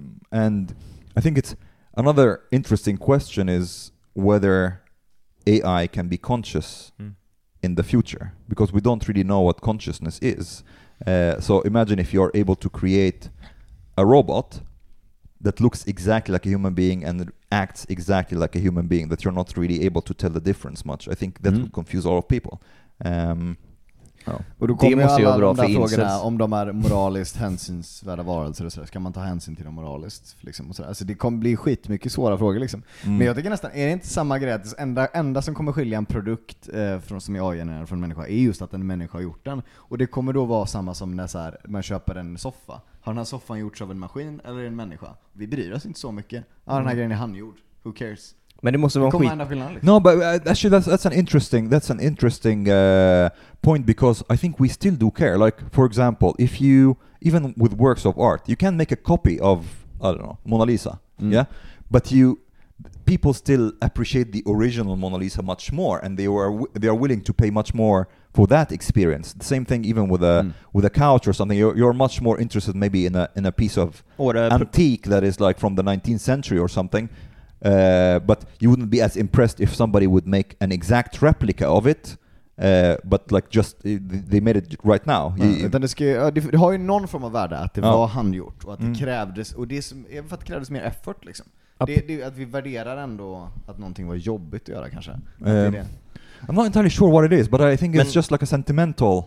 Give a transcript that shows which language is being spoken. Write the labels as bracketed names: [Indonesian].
[English] And I think it's another interesting question is whether AI can be conscious in the future, because we don't really know what consciousness is. So imagine if you are able to create a robot that looks exactly like a human being and acts exactly like a human being, that you're not really able to tell the difference much. I think that would confuse a lot of people. [Swedish] Och då kommer ju alla de där frågorna om de är moraliskt hänsynsvärda varelser och sådär. Ska man ta hänsyn till dem moraliskt? Liksom, och så där. Alltså, det kommer bli skitmycket svåra frågor. Liksom. Mm. Men jag tycker nästan, är det inte samma grej att det enda som kommer skilja en produkt från, som är AI-genererad från en människa, är just att en människa har gjort den. Och det kommer då vara samma som när så här, man köper en soffa. Har den här soffan gjorts av en maskin eller en människa? Vi bryr oss inte så mycket. Ja, den här grejen är handgjord. [English] Who cares? [Swedish] Men det måste vara skit. [English] No, but actually that's an interesting point, because I think we still do care. Like, for example, if you, even with works of art, you can make a copy of, I don't know, Mona Lisa, yeah? But people still appreciate the original Mona Lisa much more, and they are willing to pay much more for that experience. The same thing even with a couch or something. You're much more interested maybe in a piece of antique that is like from the 19th century or something. But you wouldn't be as impressed if somebody would make an exact replica of it, but like just they made it right now. [Swedish] Utan det har ju någon form av värde att det var handgjort och att det krävdes, och det som är för att det krävdes mer effort liksom. Det är att vi värderar ändå att någonting var jobbigt att göra kanske. Att det är det. [English] I'm not entirely sure what it is, but I think it's just like a sentimental...